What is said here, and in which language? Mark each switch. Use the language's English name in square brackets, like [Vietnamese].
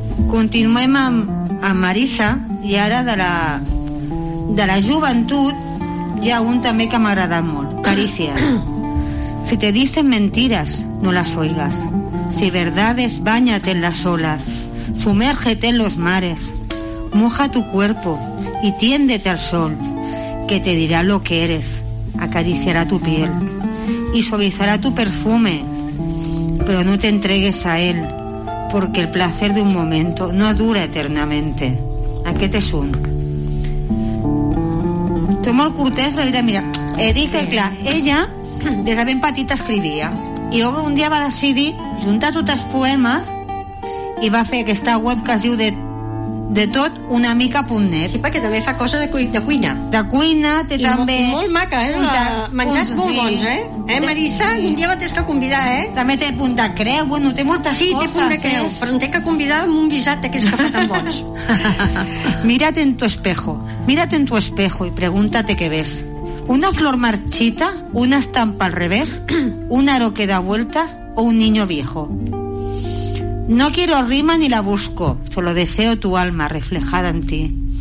[Catalan] Continuem amb Marisa, i ara de la joventut hi ha un també que m'ha agradat molt. [Spanish] Caricias. Si te dicen mentiras, no las oigas. Si verdades, báñate en las olas. Sumérgete en los mares. Moja tu cuerpo y tiéndete al sol, que te dirá lo que eres. Acariciará tu piel y suavizará tu perfume, pero no te entregues a él, porque el placer de un momento no dura eternamente. [Catalan] Aquest és un. Tu molt curtès, la vida, mira, dic que, clar, ella, des de ben petita, escrivia. I un dia va decidir juntar tots els poemes i va fer aquesta web que es diu de tot una mica punt net. Sí, perquè també fa cosa de cuina. De cuina, té i també... I molt maca, menjar és molt bons, Marisa, un dia m'has de convidar, També té punt de creu, bueno, té moltes coses. Sí, forces, té punt de creu, però em té que convidar amb un guisat d'aquests que fa tan bons. [Spanish] Mírate en tu espejo y pregúntate qué ves. ¿Una flor marchita, una estampa al revés, un aro que da vueltas o un niño viejo? No quiero rima ni la busco, solo deseo tu alma reflejada en ti.